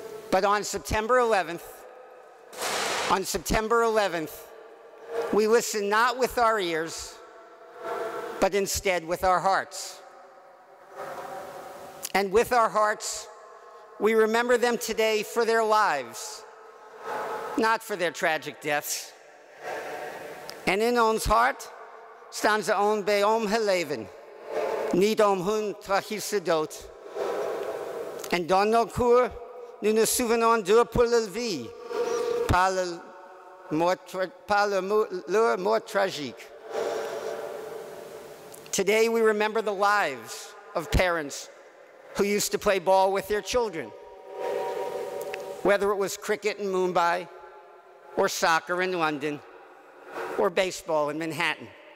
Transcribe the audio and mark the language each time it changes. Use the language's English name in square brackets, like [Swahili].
[English] But on September 11th, we listen not with our ears, but instead with our hearts. And with our hearts, we remember them today for their lives, not for their tragic deaths. [Dutch] En in ons hart staan ze om bij om hun leven, niet om hun tragische dood. [French] En dans nos cœurs, nous nous souvenons d'eux pour la vie, par leur mort tragique. [English] Today we remember the lives of parents who used to play ball with their children, whether it was cricket in Mumbai, or soccer in London, or baseball in Manhattan.